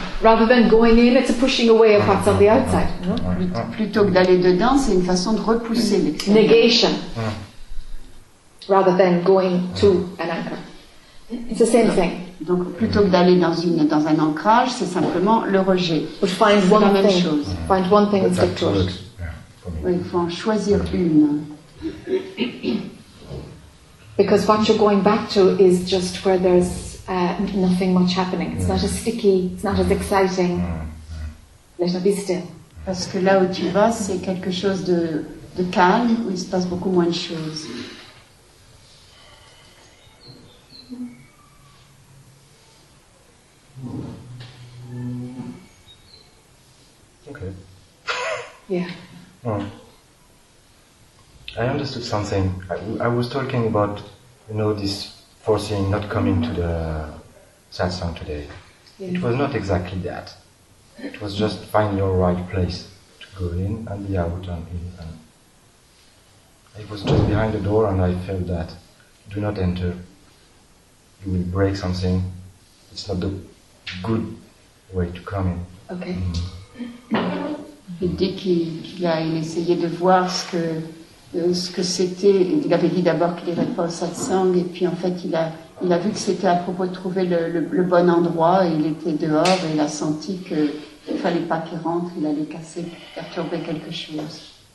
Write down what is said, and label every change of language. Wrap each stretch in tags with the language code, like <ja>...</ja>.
<en>Rather than going in, it's a pushing away of what's on the outside.</en> <fr>Plutôt que d'aller dedans, c'est une façon de repousser l'extérieur.</fr> <en>Negation. Rather than going to an anchor. It's the same thing.</en> <fr>Donc plutôt que d'aller dans un ancrage, c'est simplement le rejet.</fr> <en>But find</en> <fr>c'est</fr> <en>one</en> <fr>la même</fr> <en>thing.</en> <fr>Chose.</fr> <en>Mm. Find one thing but and stick to it.</en> <fr>Oui, il faut en choisir une.</fr> <en>Because what you're going back to is just where there's nothing much happening. It's not as sticky, it's not as exciting. Let it be still.</en> <fr>Parce que là où tu vas, c'est quelque chose de calme, où il se passe beaucoup moins de choses.</fr> <en>Okay. Yeah. I understood something. I was talking about, you know, this forcing not coming to the satsang today. Yeah. It was not exactly that. It was just find your right place to go in and be out and in. And it was just behind the door and I felt that do not enter. You will break something. It's not the good way to come in. Okay.</en> <fr>Il dit qu'il a essayé de voir ce que c'était. Il avait dit d'abord qu'il n'irait pas au satsang, et puis en fait, il a vu que c'était à propos de trouver le bon endroit. Il était dehors et il a senti qu'il ne fallait pas qu'il rentre, il allait casser, perturber quelque chose.</fr>